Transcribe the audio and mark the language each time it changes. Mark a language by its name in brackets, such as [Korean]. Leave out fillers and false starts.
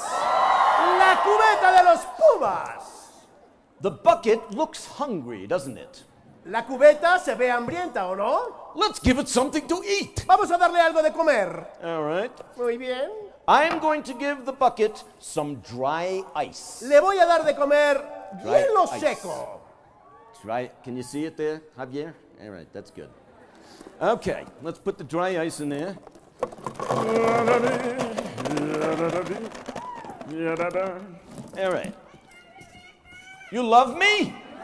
[Spanish] La cubeta de los Pumas. [English] The bucket looks hungry, doesn't it? [Spanish] La cubeta se ve hambrienta, ¿o no? [English] Let's give it something to eat. [Spanish] Vamos a darle algo de comer. [English] All right. [Spanish] Muy bien. [English] I'm going to give the bucket some dry ice. [Spanish] Le voy a dar de comer hielo seco. [English] Dry, can you see it there, Javier? All right, that's good. Okay, let's put the dry ice in there. All right. You love me?